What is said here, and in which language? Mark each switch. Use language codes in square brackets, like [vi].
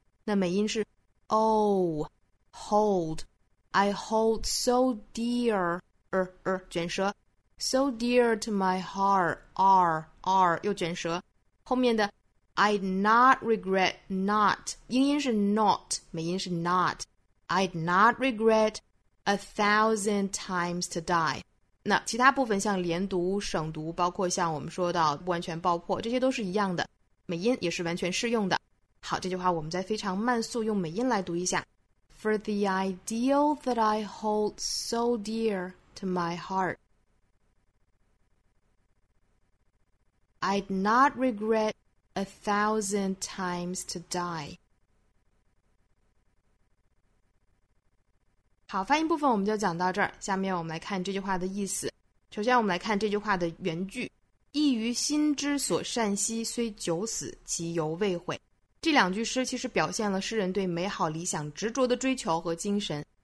[zh] 那美音是 [en] O, hold. I hold so dear, [zh] 卷舌。 [en] So dear to my heart, R, [zh] 又卷舌。后面的 [en] I'd not regret not, [zh] 英音是 not, 美音是 not. [en] I'd not regret a thousand times to die. [zh] 那其他部分像连读、省读，包括像我们说到完全爆破，这些都是一样的，美音也是完全适用的。好，这句话我们再非常慢速用美音来读一下。 [en] For the ideal that I hold so dear to my heart, I'd not regret a thousand times to die. [zh] 好，发音部分我们就讲到这儿。下面我们来看这句话的意思。首先我们来看这句话的原句，意于心之所善惜，虽久死其犹未悔。这两句诗其实表现了诗人对美好理想执着的追求和精神。